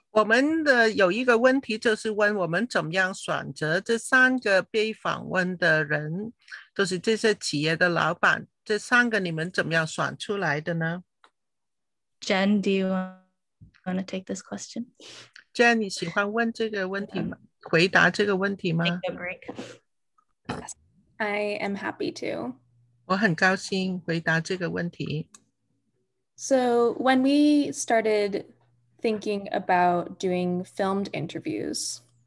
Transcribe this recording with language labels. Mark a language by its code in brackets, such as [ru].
[zh] 我们的有一个问题就是问我们怎么样选择这三个被访问的人，就是这些企业的老板，这三个你们怎么样选出来的呢？ [en] Jen, do you want to take this question? [zh] Jen, 你喜欢问这个问题吗？回答这个问题吗？ [en] Take a break. I am happy to. [zh] 我很高兴回答这个问题。 [en] So when we started thinking about doing filmed interviews,